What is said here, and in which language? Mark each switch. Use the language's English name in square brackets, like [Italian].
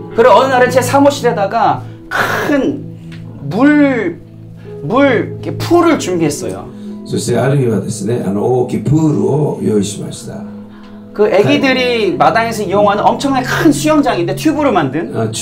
[Korean] 그리고 어느 날에 제 사무실에다가 큰 물 이렇게 풀을 준비했어요. [Japanese] そしてある日はですね、大きいプールを用意しました. [Korean] 그 아기들이 마당에서 이용하는 엄청나게 큰 수영장인데 튜브로 만든.